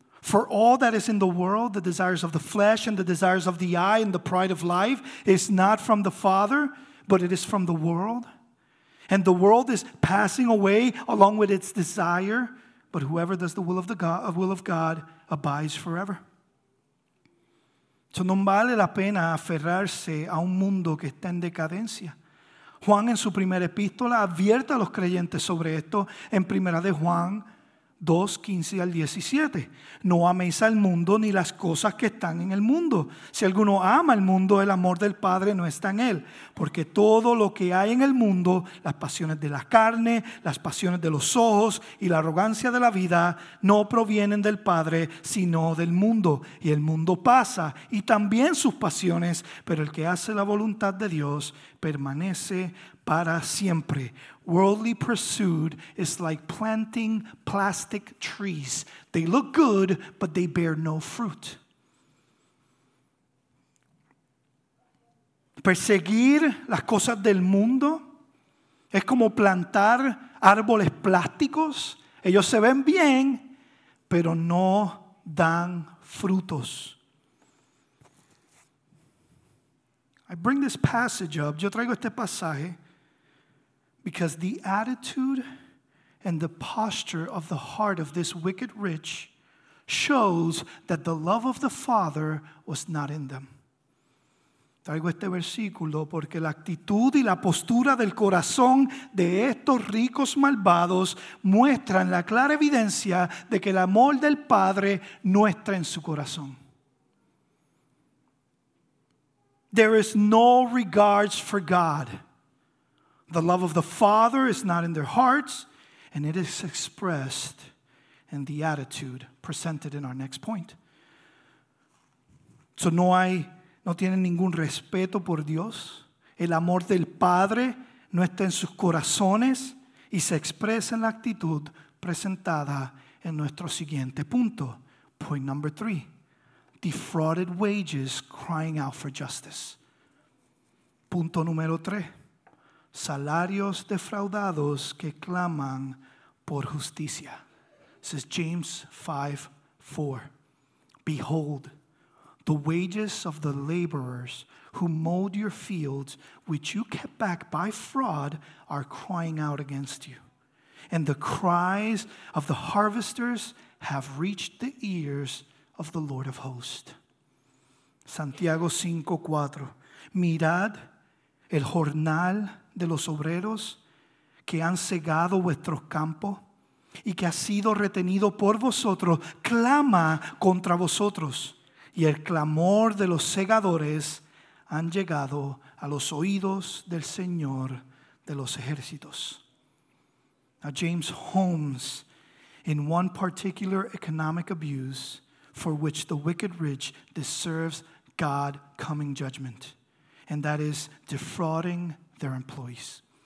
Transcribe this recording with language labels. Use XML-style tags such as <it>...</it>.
<en>For all that is in the world, the desires of the flesh and the desires of the eye and the pride of life is not from the Father, but it is from the world. And the world is passing away along with its desire, but whoever does the will of God abides forever.</en> <es>So no vale la pena aferrarse a un mundo que está en decadencia. Juan en su primera epístola advierte a los creyentes sobre esto en primera de Juan 2, 15 al 17. No améis al mundo ni las cosas que están en el mundo. Si alguno ama el mundo, el amor del Padre no está en él. Porque todo lo que hay en el mundo, las pasiones de la carne, las pasiones de los ojos y la arrogancia de la vida, no provienen del Padre, sino del mundo. Y el mundo pasa, y también sus pasiones, pero el que hace la voluntad de Dios permanece para siempre.</es> <en>Worldly pursuit is like planting plastic trees. They look good, but they bear no fruit.</en> <es>Perseguir las cosas del mundo es como plantar árboles plásticos. Ellos se ven bien, pero no dan frutos.</es> <en>I bring this passage up,</en> <es>yo traigo este pasaje,</es> <en>because the attitude and the posture of the heart of this wicked rich shows that the love of the Father was not in them.</en> <es>Traigo este versículo porque la actitud y la postura del corazón de estos ricos malvados muestran la clara evidencia de que el amor del Padre no está en su corazón.</es> <en>There is no regards for God. The love of the Father is not in their hearts, and it is expressed in the attitude presented in our next point.</en> <es>So no tienen ningún respeto por Dios. El amor del Padre no está en sus corazones y se expresa en la actitud presentada en nuestro siguiente punto.</es> <en>Point number 3. Defrauded wages crying out for justice.</en> <es>Punto número 3. Salarios defraudados que claman por justicia.</es> <en>This is James 5:4. Behold, the wages of the laborers who mowed your fields, which you kept back by fraud, are crying out against you. And the cries of the harvesters have reached the ears of the Lord of hosts.</en> <es>Santiago 5:4. Mirad el jornal de los obreros que han segado vuestros campos y que ha sido retenido por vosotros, clama contra vosotros. Y el clamor de los segadores han llegado a los oídos del Señor de los ejércitos.</es> <en>Now James homes in one particular economic abuse for which the wicked rich deserves God's coming judgment, and that is defrauding their employees.</en>